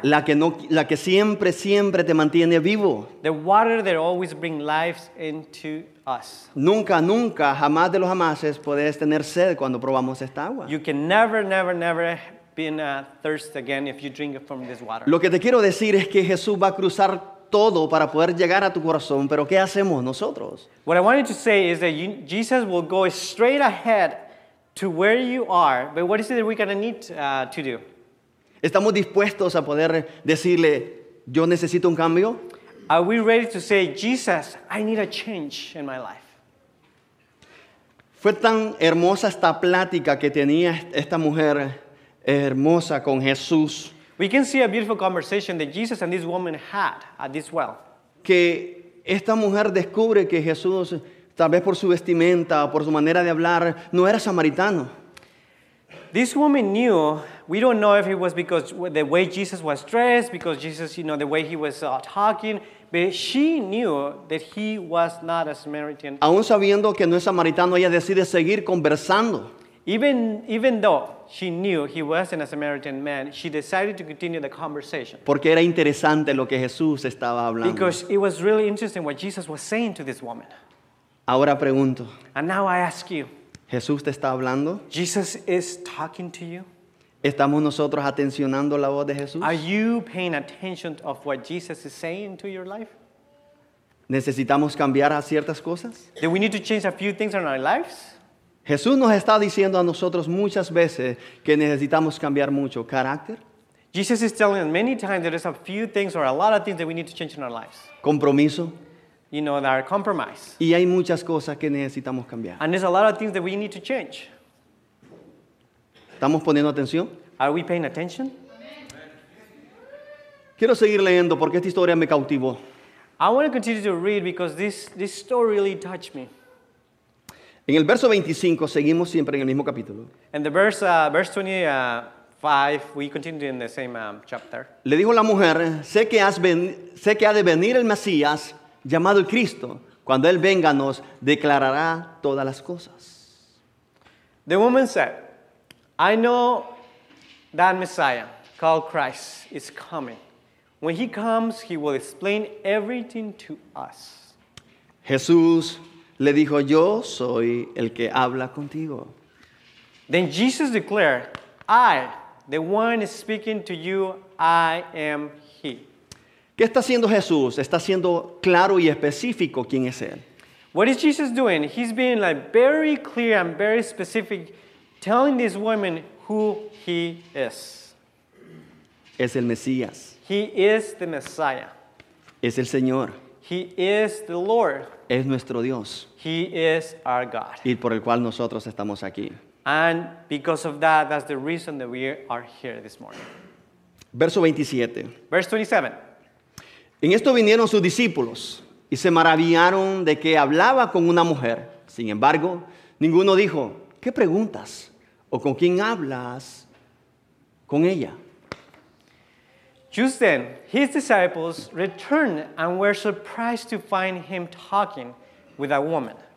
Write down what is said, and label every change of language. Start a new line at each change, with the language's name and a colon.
Spanish: La que siempre te mantiene vivo.
English: The water that always brings life into us.
Spanish: Nunca, jamás de los jamases puedes tener sed cuando probamos esta agua.
English: You can never be in a thirst again if you drink from this water.
Spanish: Lo que te quiero decir es que Jesús va a cruzar todo para poder llegar a tu corazón, pero ¿qué hacemos nosotros?
English: What I wanted to say is that Jesus will go straight ahead to where you are, but what is it that we're going to need to do?
Spanish: ¿Estamos dispuestos a poder decirle, yo necesito un cambio?
English: Are we ready to say, Jesus, I need a change in my life?
Spanish: Fue tan hermosa esta plática que tenía esta mujer hermosa con Jesús.
English: We can see a beautiful conversation that Jesus and this woman had at this well.
Spanish: Que esta mujer descubre que Jesús, tal vez por su vestimenta o por su manera de hablar, no era samaritano.
English: This woman knew, we don't know if it was because the way Jesus was dressed, because Jesus, you know, the way he was talking, but she knew that he was not a Samaritan.
Spanish: Aún sabiendo que no es samaritano, ella decide seguir conversando.
English: Even though she knew he wasn't a Samaritan man, she decided to continue the conversation.
Spanish: Porque era interesante lo que Jesús estaba hablando.
English: Because it was really interesting what Jesus was saying to this woman.
Spanish: Ahora pregunto.
English: And now I ask you.
Spanish: ¿Jesús te está hablando?
English: Jesus is talking to you.
Spanish: ¿Estamos nosotros atencionando la voz de Jesús?
English: Are you paying attention to what Jesus is saying to your life?
Spanish: ¿Necesitamos cambiar a ciertas cosas?
English: Do we need to change a few things in our lives?
Spanish: Jesús nos está diciendo a nosotros muchas veces que necesitamos cambiar mucho carácter.
English: Jesus is telling us many times there is a few things or a lot of things that we need to change in our lives.
Spanish: Compromiso.
English: You know, our compromise.
Spanish: Y hay muchas cosas que necesitamos cambiar.
English: And there's a lot of things that we need to change.
Spanish: ¿Estamos poniendo atención?
English: Are we paying attention?
Spanish: Quiero seguir leyendo porque esta historia me cautivó.
English: I want to continue to read because this story really touched me.
Spanish: En el verso 25 seguimos siempre en el mismo capítulo.
English: In the verse 25, we continue in the same chapter.
Spanish: Le dijo la mujer, sé que ha de venir el Mesías llamado el Cristo. Cuando él venga, nos declarará todas las cosas.
English: The woman said, I know that Messiah called Christ is coming. When he comes, he will explain everything to us.
Spanish: Jesús le dijo, yo soy el que habla contigo.
English: Then Jesus declared, I, the one speaking to you, I am he.
Spanish: ¿Qué está haciendo Jesús? Está siendo claro y específico quién es él.
English: What is Jesus doing? He's being like very clear and very specific, telling this woman who he is.
Spanish: Es el Mesías.
English: He is the Messiah.
Spanish: Es el Señor.
English: He is the Lord.
Spanish: Es nuestro Dios.
English: He is our God.
Spanish: Y por el cual nosotros estamos aquí.
English: And because of that, that's the reason that we are here this morning.
Spanish: Verso 27.
English: Verse 27.
Spanish: En esto vinieron sus discípulos y se maravillaron de que hablaba con una mujer. Sin embargo, ninguno dijo, ¿qué preguntas? ¿O con quién hablas con ella?
English: Just then, his disciples returned and were surprised to find him talking with a woman.